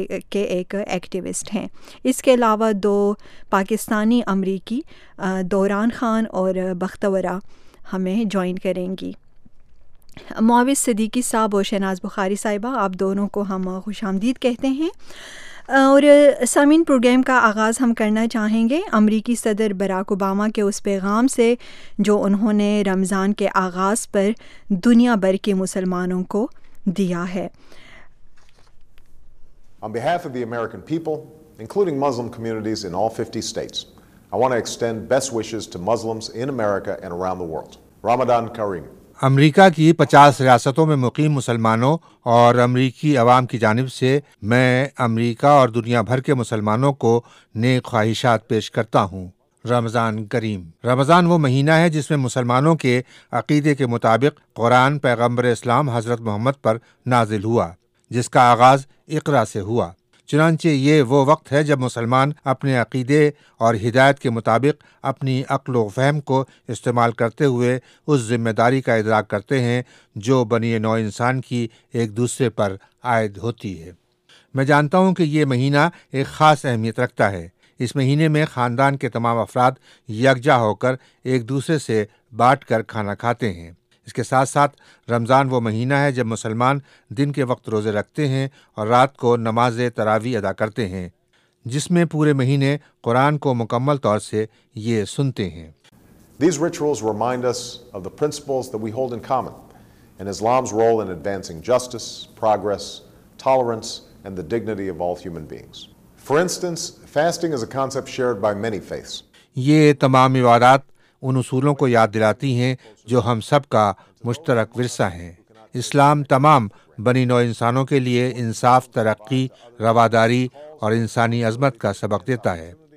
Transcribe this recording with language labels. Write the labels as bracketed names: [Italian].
[Urdu] کے ایک ایکٹیوسٹ ہیں۔ اس کے علاوہ دو پاکستانی امریکی دوران خان اور بختورہ ہمیں جوائن کریں گی۔ معاوض صدیقی صاحب اور شہناز بخاری صاحبہ، آپ دونوں کو ہم خوش آمدید کہتے ہیں۔ اور سامعین، پروگرام کا آغاز ہم کرنا چاہیں گے امریکی صدر باراک اوباما کے اس پیغام سے جو انہوں نے رمضان کے آغاز پر دنیا بھر کے مسلمانوں کو دیا ہے۔ [English] On behalf of the American people, including Muslim communities in all 50 states, I want to extend best wishes to Muslims in America and around the world. Ramadan Kareem. [Urdu] امریکہ کی 50 ریاستوں میں مقیم مسلمانوں اور امریکی عوام کی جانب سے میں امریکہ اور دنیا بھر کے مسلمانوں کو نیک خواہشات پیش کرتا ہوں۔ رمضان کریم۔ رمضان وہ مہینہ ہے جس میں مسلمانوں کے عقیدے کے مطابق قرآن پیغمبر اسلام حضرت محمد پر نازل ہوا، جس کا آغاز اقرا سے ہوا۔ چنانچہ یہ وہ وقت ہے جب مسلمان اپنے عقیدے اور ہدایت کے مطابق اپنی عقل و فہم کو استعمال کرتے ہوئے اس ذمہ داری کا ادراک کرتے ہیں جو بنی نوع انسان کی ایک دوسرے پر عائد ہوتی ہے۔ میں جانتا ہوں کہ یہ مہینہ ایک خاص اہمیت رکھتا ہے۔ اس مہینے میں خاندان کے تمام افراد یکجا ہو کر ایک دوسرے سے بانٹ کر کھانا کھاتے ہیں۔ اس کے ساتھ ساتھ رمضان وہ مہینہ ہے جب مسلمان دن کے وقت روزے رکھتے ہیں اور رات کو نماز تراویح ادا کرتے ہیں، جس میں پورے مہینے قرآن کو مکمل طور سے یہ سنتے ہیں۔ [English] These rituals remind us of the principles that we hold in common and Islam's role in advancing justice, progress, tolerance and the dignity of all human beings. For instance, fasting is a concept shared by many faiths. [Urdu] یہ تمام عبادات ان اصولوں کو یاد دلاتی ہیں جو ہم سب کا مشترک ورثہ ہیں۔ اسلام تمام بنی نوع انسانوں کے لیے انصاف، ترقی، رواداری اور انسانی عظمت کا سبق دیتا ہے۔